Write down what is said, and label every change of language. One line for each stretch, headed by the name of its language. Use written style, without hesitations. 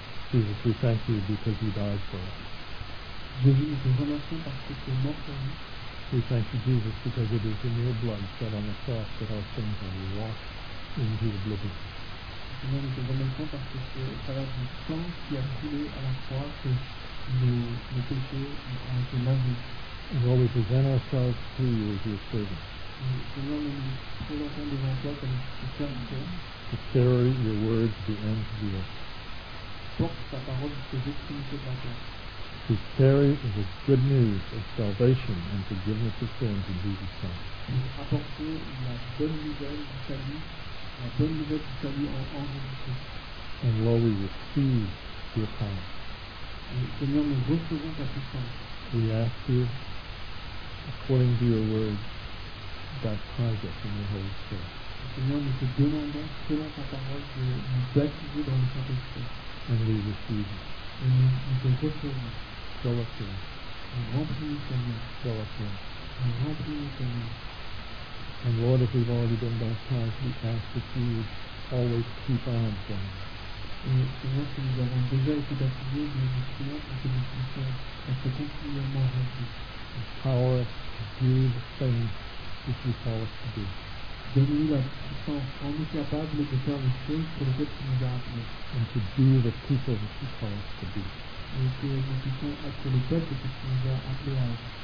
English: Jesus, we thank you because you died for us.
French: Jésus, nous te remercions parce que tu es mort pour nous.
English: We thank you, Jesus, because it is in your blood shed on the cross that our sins are washed into oblivion.
French: Seigneur, nous te remercions parce que c'est par la du sang qui a coulé à la croix que nos péchés ont été lavés.
English: Lord, we present ourselves to you as your servant.
French: Seigneur, nous nous présentons devant toi comme tes serviteurs.
English: To carry your word to the ends of the earth.
French: Porte ta parole jusqu'aux extrémités de la terre.
English: To carry the good news of salvation and forgiveness of sins in Jesus' name.
French: Apporter la bonne nouvelle du salut, la bonne nouvelle du salut en Jésus.
English: And Lord, we receive your power.
French: Et Seigneur, nous recevons ta puissance.
English: We ask you, according to your word, baptize us in the Holy Spirit.
French: Seigneur, nous te demandons, selon ta parole, de nous baptiser dans le Saint-Esprit.
English: And we receive it.
French: Et nous te recevons.
English: Fill us in.
French: Remplis-nous, Seigneur.
English: Fill us in.
French: Remplis-nous, Seigneur.
English: And Lord, if we've already been baptized, we ask that you would always keep on going.
French: Et Seigneur, si nous avons déjà été baptisés, nous vous prions pour que nous puissions être continuellement remplis.
English: Empower us to do the things that you call us to do.
French: Donne-nous la puissance en nous capables de faire les choses pour lesquelles tu nous as appelés.
English: And to be the people that you call us to be.
French: Et que nous puissions être les peuples que tu nous as appelés à être.